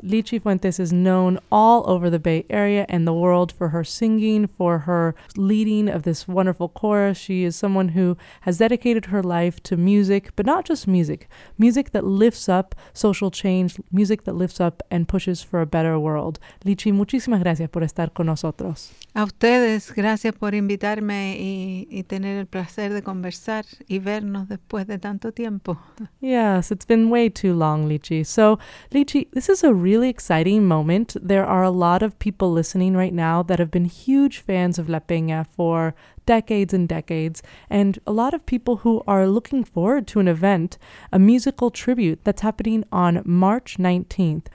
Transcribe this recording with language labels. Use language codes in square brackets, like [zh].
[en] Lichi Fuentes is known all over the Bay Area and the world for her singing, for her leading of this wonderful chorus. She is someone who has dedicated her life to music, but not just music, music that lifts up social change, music that lifts up and pushes for a better world. [es] Lichi, muchísimas gracias por estar con nosotros. A ustedes, gracias por invitarme y tener el placer de conversar y vernos después de tanto tiempo. [en] Yes, it's been way too long, Lichi. So, Lichi, this is a really exciting moment. There are a lot of people listening right now that have been huge fans of La Peña for decades and decades, and a lot of people who are looking forward to an event, a musical tribute that's happening on March 19th.